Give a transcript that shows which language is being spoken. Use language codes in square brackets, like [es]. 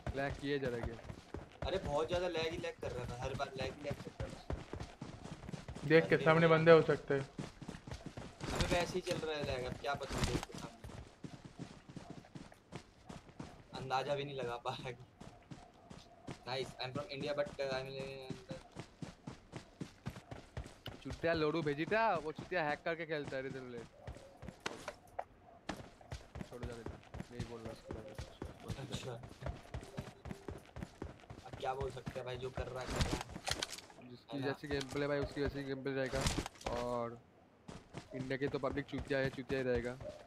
[hi] Lag किए जा रहा है। अरे बहुत ज्यादा लैग ही लैग कर रहा था, हर बार लैग ही लैग कर रहा है। देख के सामने बंदे हो सकते हैं, अबे वैसे ही चल रहा है लैग, अब क्या पता। देख अंदाजा भी नहीं लगा पा रहा [en] Nice. I'm from India, but I'm living in the. [hi] चुतिया लोडू भेजी था वो चुतिया हैक करके खेलता है इधर ले छोड़ जा देता नहीं बोल रहा उसको अच्छा अब क्या बोल सकते हैं भाई जो कर रहा है जिसकी जैसी गेम प्ले भाई उसकी वैसी गेम प्ले रहेगा और इंडिया के तो पब्लिक चुतिया ही रहेगा